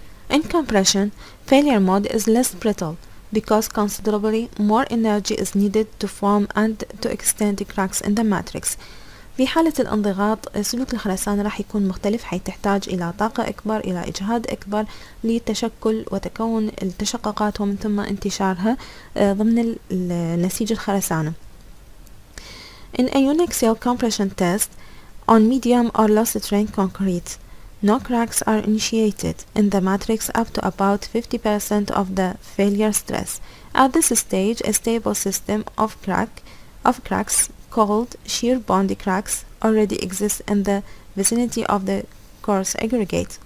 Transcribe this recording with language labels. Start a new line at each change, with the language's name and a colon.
English: In compression, failure mode is less brittle because considerably more energy is needed to form and to extend the cracks in the matrix.
Arabic: في حالة الانضغاط سلوك الخرسانة راح يكون مختلف، حيث تحتاج إلى طاقة أكبر، إلى إجهاد أكبر لتشكل وتكون التشققات ومن ثم انتشارها ضمن النسيج الخرسانة.
English: In a unixial compression test on medium or low strain concrete, no cracks are initiated in the matrix up to about 50% of the failure stress. At this stage, a stable system of cracks called shear bond cracks already exists in the vicinity of the coarse aggregate.